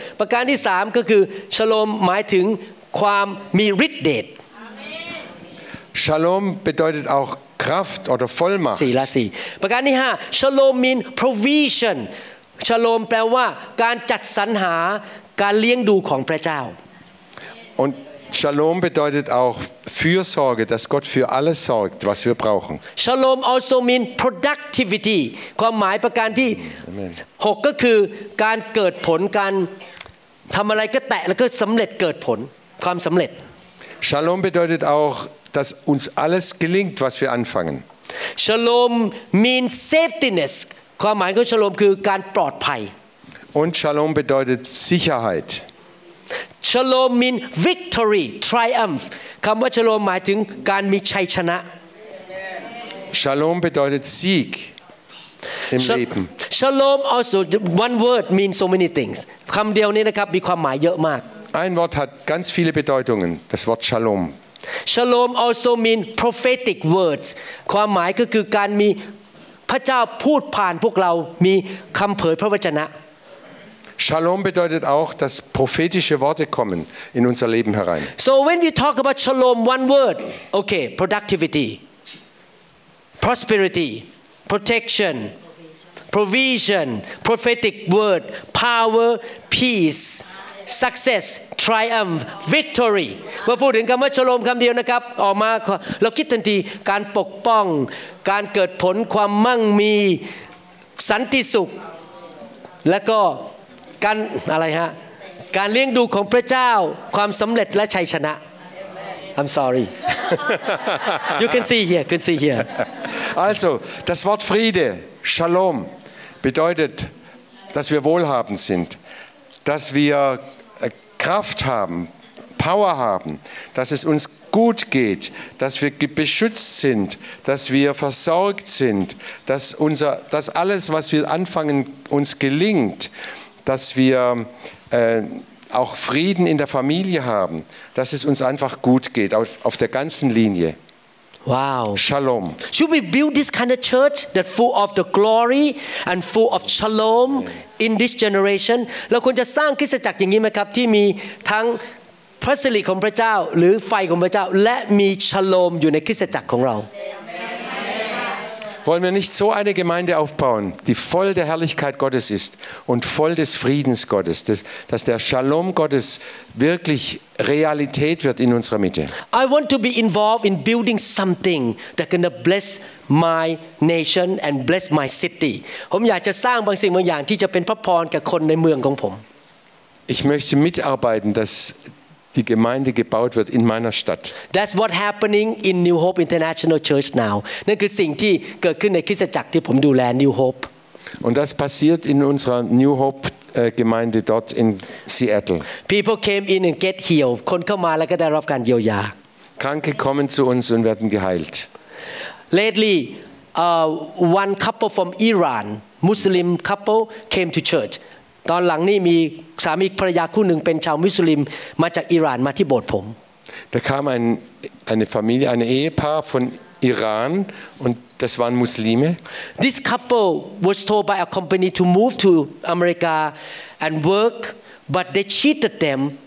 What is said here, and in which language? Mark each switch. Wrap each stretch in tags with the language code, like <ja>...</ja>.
<th>ประการที่สามก็คือ Shalom หมายถึงความมีฤทธิ์เดช</th> <de>Shalom bedeutet auch Kraft oder Vollmacht.</de> <th>สี่ละสี่ประการที่ห้า Shalom</th> <en>means provision.</en> <th>Shalom แปลว่าการจัดสรรหาการเลี้ยงดูของพระเจ้า</th> <de>Und Shalom bedeutet auch Fürsorge, dass Gott für alles sorgt, was wir brauchen.</de> <en>Shalom also means productivity.</en> <th>ความหมายประการที่หกก็คือการเกิดผลการทำอะไรก็แตะแล้วก็สำเร็จเกิดผลความสำเร็จ</th> <de>Shalom bedeutet auch, dass uns alles gelingt, was wir anfangen.</de> <en>Shalom means safetyness.</en> <th>ความหมายของ Shalom คือการปลอดภัย</th> <de>Und Shalom bedeutet Sicherheit.</de> <en>Shalom means victory, triumph.</en> <th>คำว่า Shalom หมายถึงการมีชัยชนะ</th> <de>Shalom bedeutet Sieg. Im Leben.</de> <en>Shalom also one word means so many things.</en> <th>คำเดียวนี้นะครับมีความหมายเยอะมาก</th> <de>Ein Wort hat ganz viele Bedeutungen. Das Wort Shalom.</de> <en>Shalom also means prophetic words.</en> <th>ความหมายก็คือการมีพระเจ้าพูดผ่านพวกเรามีคำเผยพระวจนะ</th> <de>Shalom bedeutet auch, dass prophetische Worte kommen in unser Leben herein.</de> <en>So when we talk about Shalom, one word, okay, productivity, prosperity. Protection, provision, prophetic word, power, peace, success, triumph, victory.</en> <th>มาพูดถึงคำว่าชโลมคำเดียวนะครับออกมาเราคิดทันทีการปกป้องการเกิดผลความมั่งมีสันติสุขและก็การอะไรฮะการเลี้ยงดูของพระเจ้าความสำเร็จและชัยชนะ</th> <en>I'm sorry. You can see here. Can see here.</en> <de>Also, das Wort Friede, Shalom, bedeutet, dass wir wohlhabend sind, dass wir Kraft haben, Power haben, dass es uns gut geht, dass wir beschützt sind, dass wir versorgt sind, dass unser, dass alles, was wir anfangen, uns gelingt, dass wir auch Frieden in der Familie haben, dass es uns einfach gut geht, auf der ganzen Linie. Wow. Shalom.</de> <en>Should we build this kind of church that full of the glory and full of shalom yeah. in this generation?</en> <th>เราควรจะสร้างคริสตจักรอย่างนี้ไหมครับที่มีทั้งพระสิริของพระเจ้าหรือไฟของพระเจ้าและมีชโลมอยู่ในคริสตจักรของเรา</th> <de>Wollen wir nicht so eine Gemeinde aufbauen, die voll der Herrlichkeit Gottes ist und voll des Friedens Gottes, dass der Shalom Gottes wirklich Realität wird in unserer Mitte?</de> <en>I want to be involved in building something that can bless my nation and bless my city.</en> <th>ผมอยากจะสร้างบางสิ่งบางอย่างที่จะเป็นพระพรแก่คนในเมืองของผม</th> <de>Ich möchte mitarbeiten, dass die Gemeinde gebaut wird in meiner Stadt.</de> <en>That's what happening in New Hope International Church now.</en> <th>นั่นคือสิ่งที่เกิดขึ้นในคริสตจักรที่ผมดูแล New Hope.</th> <de>Und das passiert in unserer New Hope Gemeinde dort in Seattle.</de> <en>People came in and get healed.</en> <th>คนเข้ามาแล้วก็ได้รับการเยียวยา</th> <de>Kranke kommen zu uns und werden geheilt.</de> <en>Lately, one couple from Iran, Muslim couple came to church.</en> <th>ตอนหลังนี่มีสามีภรรยาคู่หนึ่งเป็นชาวมุสลิมมาจากอิหร่านมาที่โบสถ์ผม</th> <de>Da kam eine Familie, ein Ehepaar von Iran und das waren Muslime.</de> <en>This couple was told by a company to move to America and work, but they cheated them.</en>